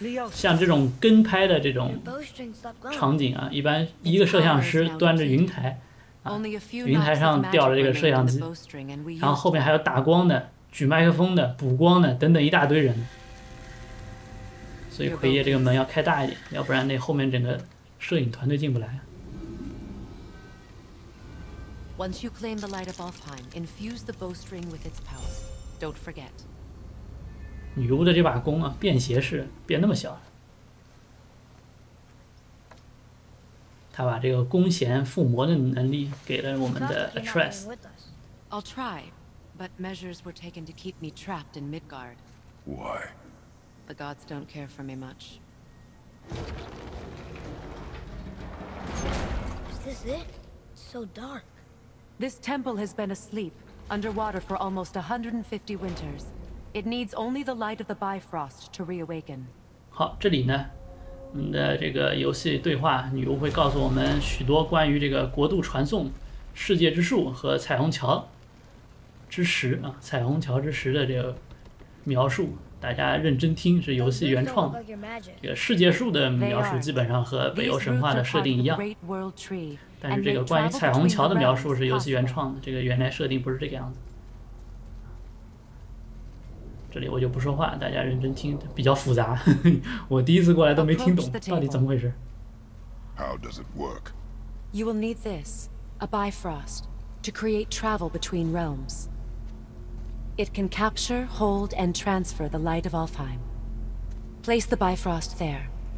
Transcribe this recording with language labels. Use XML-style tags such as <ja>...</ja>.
<zh>像这种跟拍的这种场景啊，一般一个摄像师端着云台啊，云台上吊着这个摄像机，然后后面还有打光的、举麦克风的、补光的等等一大堆人。所以奎爷这个门要开大一点，要不然那后面整个摄影团队进不来。</zh> <en>Once you claim the light of Alfheim, infuse the bowstring with its power. Don't forget.</en> <zh>女巫的这把弓啊，便携式，别那么小。他把这个弓弦附魔的能力给了我们的 Atreus。</zh> <en>I'll try, but measures were taken to keep me trapped in Midgard. Why? The gods don't care for me much. Is this it? So dark. This temple has been asleep, underwater for almost 150 winters. It needs only the light of the Bifrost to reawaken.</en> <zh>好，这里呢，的这个游戏对话，女巫会告诉我们许多关于这个国度传送、世界之树和彩虹桥之石啊，彩虹桥之石的这个描述。大家认真听，是游戏原创的。这个世界树的描述基本上和北欧神话的设定一样，但是这个关于彩虹桥的描述是游戏原创的，这个原来设定不是这个样子。这里我就不说话，大家认真听，比较复杂，呵呵，我第一次过来都没听懂到底怎么回事。</zh> <en>How does it work? You will need this, a Bifrost, to create travel between realms. It can capture, hold, and transfer the light of Alfheim. Place the Bifrost there.</en>